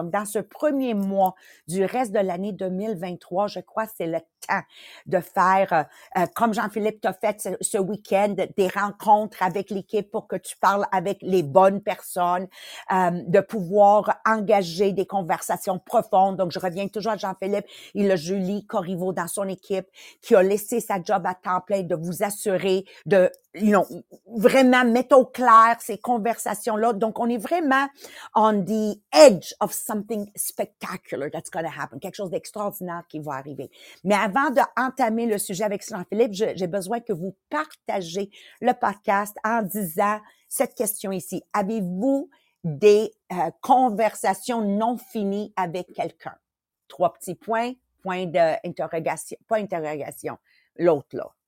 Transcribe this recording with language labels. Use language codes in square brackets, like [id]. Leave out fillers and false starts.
[fr] Donc, dans ce premier mois du reste de l'année 2023, je crois que c'est le temps de faire, comme Jean-Philippe t'a fait ce week-end, des rencontres avec l'équipe pour que tu parles avec les bonnes personnes, de pouvoir engager des conversations profondes. Donc, je reviens toujours à Jean-Philippe et le Julie Corriveau dans son équipe qui a laissé sa job à temps plein de vous assurer de vraiment mettre au clair ces conversations-là. Donc, on est vraiment [en] on the edge of something spectacular that's going to happen. [fr] Quelque chose d'extraordinaire qui va arriver. Mais avant d'entamer le sujet avec Jean-Philippe, j'ai besoin que vous partagiez le podcast en disant cette question ici. Avez-vous des conversations non finies avec quelqu'un. Trois petits points, point d'interrogation. L'autre, là.